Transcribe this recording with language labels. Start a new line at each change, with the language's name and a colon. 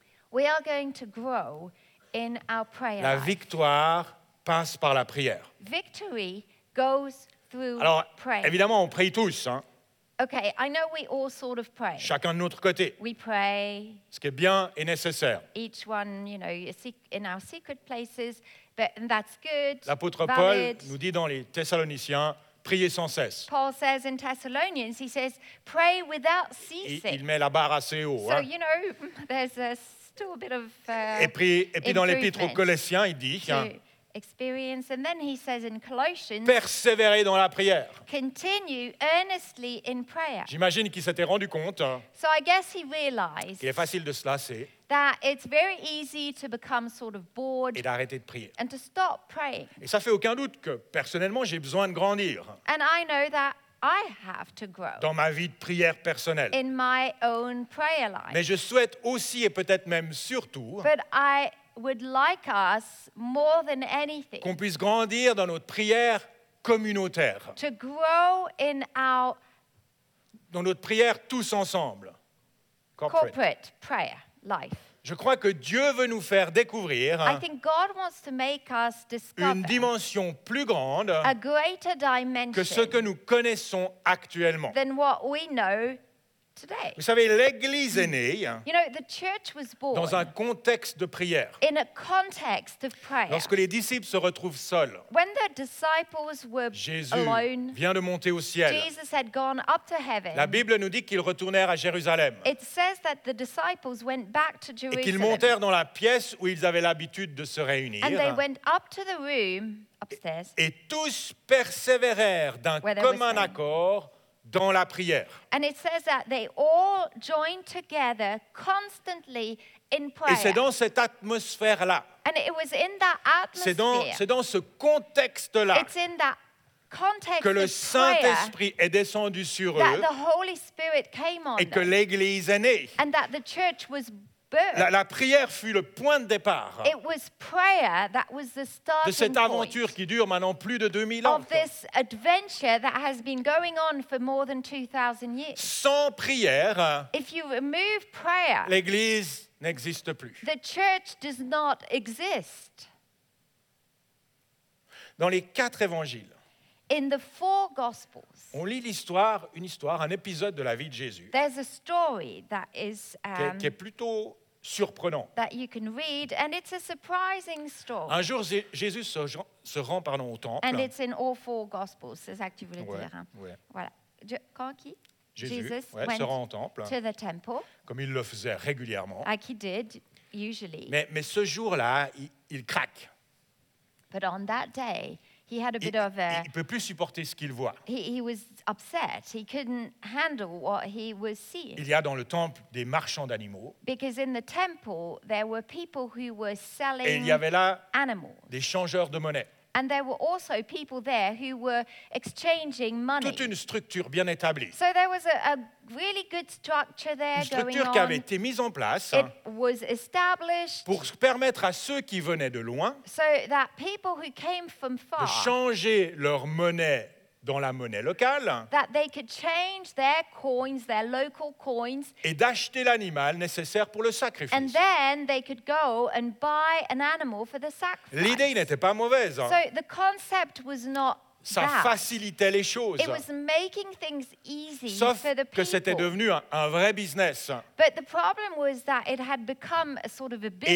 English: We are going to grow in our prayer life.
French: La victoire passe par la prière.
English: Victory goes through
French: Alors,
English: prayer.
French: Alors évidemment on prie tous hein.
English: Okay, I know we all sort of pray.
French: Chacun de notre côté.
English: We pray.
French: Ce qui est bien et nécessaire.
English: Each one, you know, in our secret places, but and that's good.
French: L'apôtre
English: valid.
French: Paul nous dit dans les Thessaloniciens, priez sans cesse.
English: Paul says in Thessalonians, he says, pray without ceasing.
French: Il met la barre assez haut.
English: So hein. You know, there's a still a bit of improvement.
French: Et puis dans l'épître aux Colossiens, il dit.
English: Experience, and then he says in Colossians,
French: persévérer dans la prière.
English: Continue earnestly in prayer.
French: J'imagine qu'il s'était rendu compte.
English: So I guess he realized.
French: Qu'il est facile de se lasser.
English: That it's very easy to become sort of bored.
French: Et d'arrêter de prier.
English: And to stop praying.
French: Et ça fait aucun doute que personnellement j'ai besoin de grandir.
English: And I know that I have to grow.
French: Dans ma vie de prière personnelle.
English: In my own prayer life.
French: Mais je souhaite aussi et peut-être même surtout.
English: But I would like us more than anything
French: qu'on puisse grandir dans notre prière communautaire
English: to grow in our
French: dans notre prière tous ensemble
English: corporate prayer life.
French: Je crois que Dieu veut nous faire découvrir
English: I think God wants to make us discover
French: une dimension plus grande
English: a greater dimension
French: que ce que nous connaissons actuellement
English: than what we know today.
French: Vous savez, l'Église est née
English: you know, the church was born
French: dans un contexte de prière.
English: In a context of prayer.
French: Lorsque les disciples se retrouvent seuls,
English: when the disciples were
French: Jésus
English: alone,
French: vient de monter au ciel.
English: Jesus had gone up to heaven.
French: La Bible nous dit qu'ils retournèrent à Jérusalem.
English: It says that the disciples went back to Jerusalem.
French: Et qu'ils montèrent dans la pièce où ils avaient l'habitude de se réunir.
English: And they went up to the room upstairs.
French: Et tous persévérèrent d'un commun accord dans la prière.
English: And it says that they all joined together constantly in prayer.
French: Et c'est dans cette atmosphère-là.
English: And it was in that atmosphere.
French: C'est dans ce contexte-là.
English: It's in that context
French: que le Saint-Esprit est descendu sur
English: that
French: eux.
English: That the Holy Spirit came on
French: et que l'Église est née.
English: And that the church was birthed.
French: La prière fut le point de départ.
English: It was prayer that was the starting point.
French: De cette aventure qui dure maintenant plus de 2000 ans.
English: Of this adventure that has been going on for more than 2000 years.
French: Sans prière,
English: if you remove prayer,
French: l'Église n'existe plus.
English: The church does not exist.
French: Dans les quatre évangiles,
English: in the four Gospels,
French: on lit l'histoire, une histoire, un épisode de la vie de Jésus.
English: There's a story that is
French: qui est plutôt surprenant.
English: That you can read, and it's a surprising story.
French: Un jour, Jésus se rend, pardon, au temple.
English: And it's in all four Gospels.
French: C'est ça que tu voulais dire. Hein? Ouais. Voilà. Quand qui? Jésus. Jésus ouais,
English: went
French: se rend au temple.
English: To the temple.
French: Comme il le faisait régulièrement.
English: Like he did usually.
French: Mais ce jour-là, il craque.
English: But on that day, he had a bit of a.
French: Il peut plus supporter ce qu'il voit.
English: He was upset. He couldn't handle what he was seeing.
French: Il y a dans le temple des marchands d'animaux.
English: Because in the temple there were people who were selling animals.
French: Et il y avait là des changeurs de monnaie.
English: And there were also people there who were exchanging money.
French: Toute une structure bien établie.
English: So there was a really good structure there
French: une structure
English: going on.
French: Qui avait été mise en place.
English: It was established.
French: Pour permettre à ceux qui venaient de loin.
English: So that people who came from far.
French: De changer leur monnaie dans la monnaie locale.
English: That they could change their coins, their local coins.
French: Et d'acheter l'animal nécessaire pour le sacrifice.
English: And then they could go and buy an animal for the sacrifice.
French: L'idée n'était pas mauvaise.
English: So the concept was not
French: ça
English: that.
French: Facilitait les choses.
English: It was making things easy
French: sauf
English: for the people.
French: Que c'était devenu un vrai business.
English: But the problem was that it had become a sort of a business.